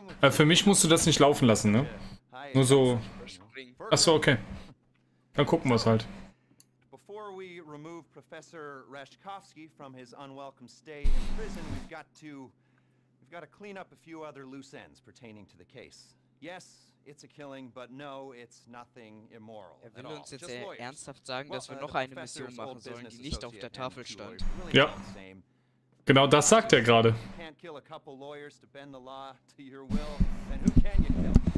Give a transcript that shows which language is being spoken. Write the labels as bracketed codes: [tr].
[de] Für mich musst du das nicht laufen lassen, ne? Nur so. Achso, okay. Dann gucken wir es halt. [en] Before we remove Professor Raschkowski from his unwelcome stay in prison, we've got to clean up a few other loose ends pertaining to the case. Yes, it's a killing, but no, it's nothing immoral. [de] Er will uns jetzt ernsthaft sagen, dass wir noch eine Mission machen sollen, die nicht auf der Tafel stand. Ja. Genau das sagt er gerade. [en] Can't kill a couple lawyers to bend the law to your will, then who can you kill?